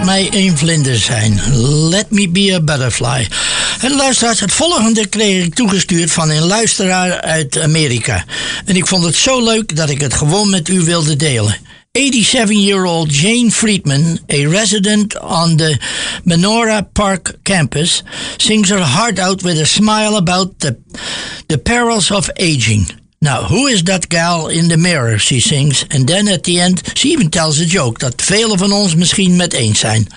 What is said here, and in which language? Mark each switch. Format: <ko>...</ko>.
<nl>Een vlinder zijn.</nl> <en>Let me be a butterfly.</en> <nl>En luisteraars, het volgende kreeg ik toegestuurd van een luisteraar uit Amerika. En ik vond het zo leuk dat ik het gewoon met u wilde delen.</nl> <en>87-year-old Jane Friedman, a resident on the Menorah Park campus, sings her heart out with a smile about the perils of aging. Now, who is that gal in the mirror, she sings. And then at the end, she even tells a joke</en> <nl>dat velen van ons misschien met eens zijn.</nl>